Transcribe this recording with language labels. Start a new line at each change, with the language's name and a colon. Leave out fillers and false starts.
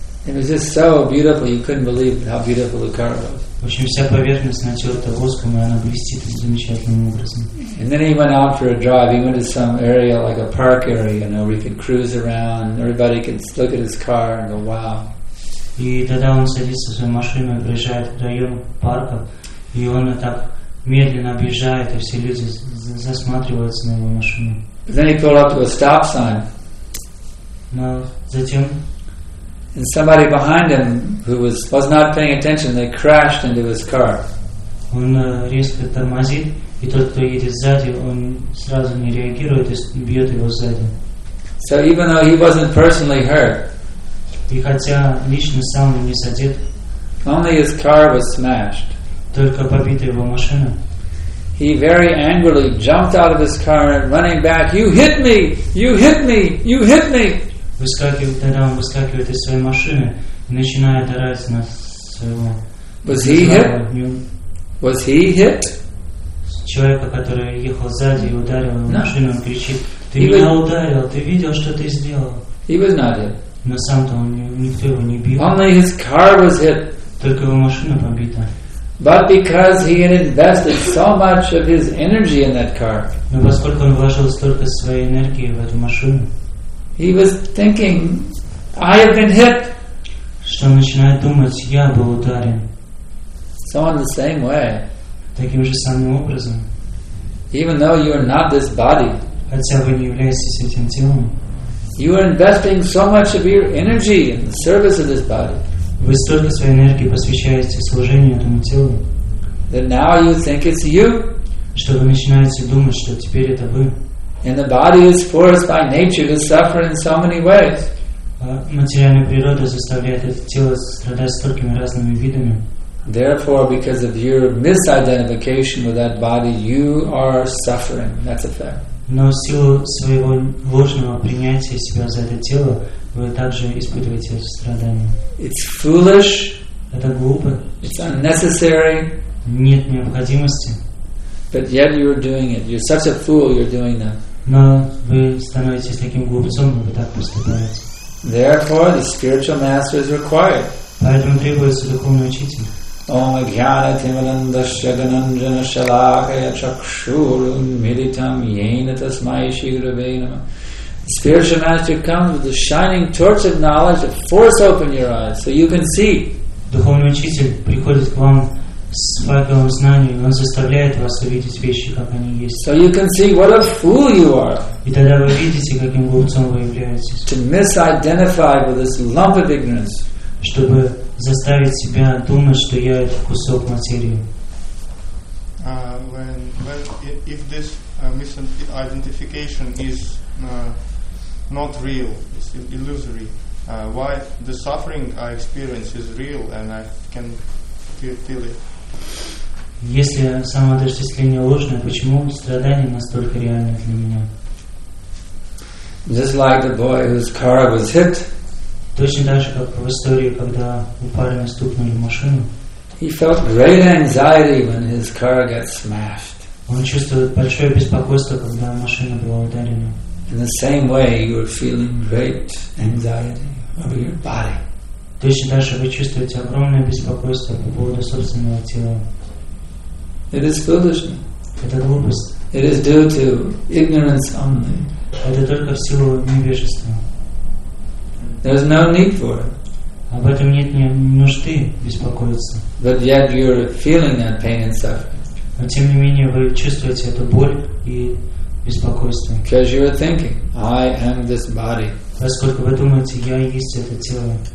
English: It was just so beautiful, you couldn't believe how beautiful the car was.
Russian: В общем, вся поверхность натерта воском, и она блестит замечательным образом.
English: And then he went out for a drive. He went to some area, like a park area, you know, where he could cruise around. Everybody could look at his car and go, wow.
Russian: И тогда он садится в свою машину и приезжает в район парка. И он так медленно объезжает, и все люди засматриваются на его машину.
English: Then he pulled up to a stop sign.
Russian: Но затем...
English: And somebody behind him who was not paying attention, they crashed into his car.
Russian: Он резко тормозит, и тот, кто едет сзади, он сразу не реагирует и бьет его сзади.
English: So even though he wasn't personally hurt,
Russian: и хотя лично сам не задет,
English: only his car was smashed.
Russian: Только побита его машина.
English: He very angrily jumped out of his car and running back, "You hit me! You hit me! You hit me!"
Russian: Тогда он выскакивает из своей машины и начинает орать на своего.
English: Was he hit? Was he hit?
Russian: Человека, который ехал сзади и ударил его машину, он кричит: "Ты меня ударил, ты видел, что ты сделал?"
English: He was not hit.
Russian: Но сам-то он никто его не бил.
English: Only his car was hit.
Russian: Только его машина побита.
English: But because he had invested so much of his energy in that car.
Russian: Но поскольку он вложил столько своей энергии в эту машину.
English: He was thinking, "I have been hit."
Russian: Что он начинает думать, я был ударен.
English: So in the same way.
Russian: Таким же самым образом.
English: Even though you are not this body.
Russian: Хотя вы не являетесь этим телом.
English: You are investing so much of your energy in the service of this body.
Russian: Вы столько своей энергии посвящаете служению этому телу.
English: That now you think it's you.
Russian: Что вы начинаете думать, что теперь это вы.
English: And the body is forced by nature to suffer in so many ways.
Russian: Материальная природа заставляет это тело страдать столькими разными видами.
English: Therefore, because of your misidentification with that body, you are suffering. That's a fact.
Russian: Но в силу своего ложного принятия себя за это тело, вы также испытываете страдания.
English: It's foolish.
Russian: Это глупо.
English: It's unnecessary.
Russian: Нет необходимости.
English: But yet you're doing it. You're such a fool, you're doing that.
Russian: Но вы становитесь таким глупцом, вы так поступаете.
English: Therefore, the spiritual master is required.
Russian: Поэтому требуется духовный учитель.
Sanskrit: Om Jnana Timananda Shaganandana Shalakaya Chakshurun Militam Yena Tasmai Shri Gurave Nama.
English: The spiritual master comes with the shining torch of knowledge to force open your eyes so you can see.
Russian: Духовный учитель приходит к вам с факелом знания, и он заставляет вас увидеть вещи, как они есть.
English: So you can see what a fool you are.
Russian: И тогда вы видите, каким глупцом вы являетесь.
English: To misidentify with this lump of ignorance.
Russian: Чтобы заставить себя думать, что я это кусок материи.
English: If this misidentification is not real, it's illusory, why the suffering I experience is real and I can feel it?
Russian: Если самоотождествление ложное, почему страдание настолько реальное для меня?
English: Just like the boy whose car was hit.
Russian: Точно так же, как в истории, когда у парня стукнули машину.
English: He felt great anxiety when his car got smashed.
Russian: Он чувствовал большое беспокойство, когда машина была ударена.
English: In the same way, you are feeling great anxiety over your body.
Russian: Точно так же вы чувствуете огромное беспокойство по поводу собственного тела.
English: It is foolishness.
Russian: Это глупость.
English: It is due to ignorance only.
Russian: Это только в силу невежества.
English: There's no need for it.
Russian: Об этом нет нужды беспокоиться.
English: But yet you're feeling that pain and suffering.
Russian: Но тем не менее вы чувствуете эту боль и беспокойство.
English: Because you're thinking, I am this body.
Russian: Поскольку вы думаете, я есть это тело.